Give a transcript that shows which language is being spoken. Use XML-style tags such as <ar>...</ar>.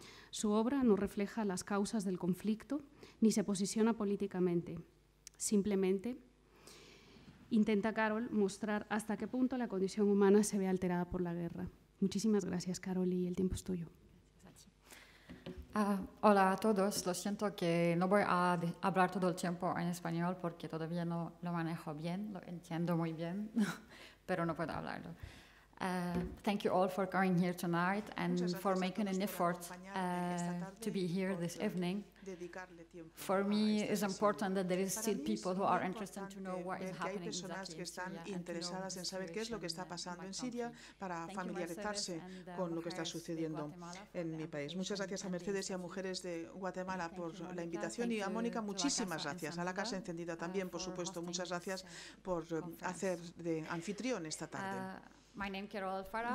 <es>Su obra no refleja las causas del conflicto ni se posiciona políticamente, simplemente intenta Carol mostrar hasta qué punto la condición humana se ve alterada por la guerra. Muchísimas gracias, Carol, y el tiempo es tuyo. Hola a todos. Lo siento que no voy a hablar todo el tiempo en español porque todavía no lo manejo bien, lo entiendo muy bien, pero no puedo hablarlo.</es> <en>Thank you all for coming here tonight and for making an effort to be here this evening. For me, it's important that there is still people who are interested to know what is happening exactly in Syria</en> <es>para familiarizarse con lo que está sucediendo en mi país. Muchas gracias a Mercedes y a Mujeres de Guatemala por la invitación y a Mónica, muchísimas gracias. A la Casa Encendida también, por supuesto, muchas gracias por hacer de anfitrión esta tarde.</es> <en>My name is Carol Alfará.</en>